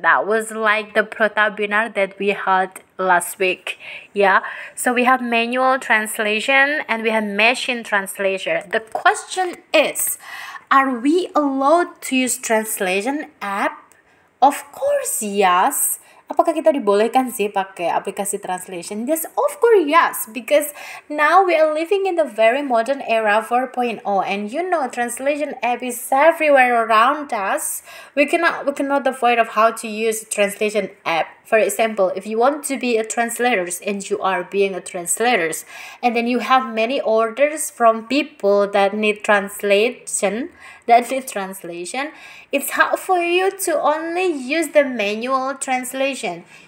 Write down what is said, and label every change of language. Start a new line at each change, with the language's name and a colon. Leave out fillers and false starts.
English: That was like the prota binar that we had last week. Yeah, so we have manual translation and we have machine translation. The question is, are we allowed to use translation app? Of course, yes.
Indonesian: Apakah kita dibolehkan sih pakai aplikasi translation?
English: Yes, of course, yes. Because now we are living in the very modern era 4.0. And you know, translation app is everywhere around us. We cannot avoid of how to use translation app. For example, if you want to be a translator and you are being a translator, and then you have many orders from people that need translation, it's hard for you to only use the manual translation.